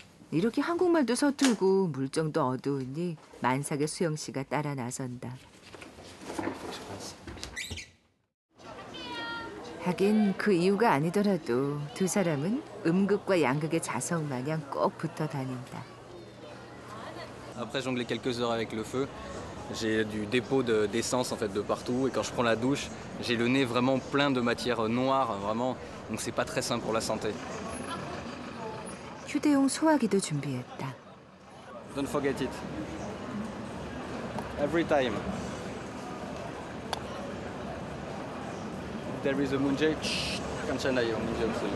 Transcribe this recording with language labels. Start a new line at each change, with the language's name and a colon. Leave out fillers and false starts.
Korean: 이렇게 한국말도 서툴고 물정도 어두우니 만삭의 수영 씨가 따라 나선다. 하긴 그 이유가 아니더라도 두 사람은 음극과 양극의 자성 마냥 꼭 붙어 다닌다.
French: Après jongler quelques heures avec le feu, j'ai du dépôt d'essence en fait de partout et quand je prends la douche, j'ai le nez vraiment plein de matière noire vraiment donc c'est pas très sain pour la santé.
Korean: 휴대용 소화기도 준비했다.
English: Don't forget it. Every time. There is a moon jet. Kanchanayo, museum.